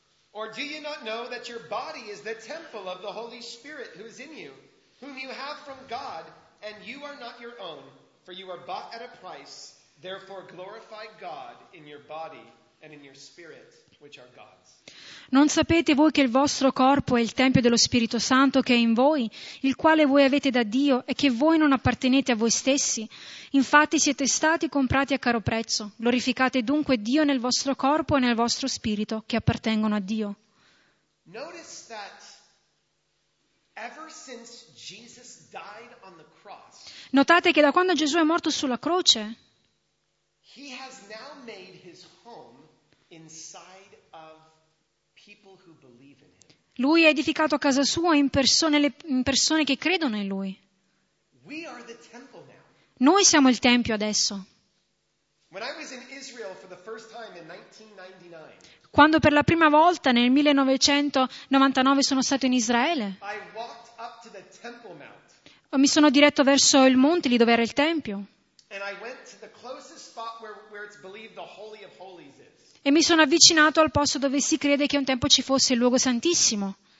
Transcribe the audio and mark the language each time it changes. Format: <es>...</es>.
<en>Or do you not know that your body is the temple of the Holy Spirit who is in you, whom you have from God, and you are not your own, for you are bought at a price, therefore glorify God in your body and in your spirit, which are God's.</en> <it>Non sapete voi che il vostro corpo è il tempio dello Spirito Santo che è in voi, il quale voi avete da Dio e che voi non appartenete a voi stessi? Infatti siete stati comprati a caro prezzo. Glorificate dunque Dio nel vostro corpo e nel vostro spirito che appartengono a Dio.</it> <en>Notice that ever since Jesus died on the cross,</en> <it>notate che da quando Gesù è morto sulla croce,</it> <en>he has now made his home inside of people who believe in him.</en> <it>Lui ha edificato casa sua in persone che credono in lui.</it> <en>We are the temple now.</en> <it>Noi siamo il tempio adesso.</it> <en>When I was in Israel for the first time in 1999,</en> <it>quando per la prima volta nel 1999 sono stato in Israele,</it> <en>I walked up to the Temple Mount.</en> <it>Mi sono diretto verso il monte lì dove era il tempio.</it> <en>And I went to the closest spot where it's believed the Holy of Holies is.</en> <it>E mi sono avvicinato al posto dove si crede che un tempo ci fosse il luogo santissimo.</it>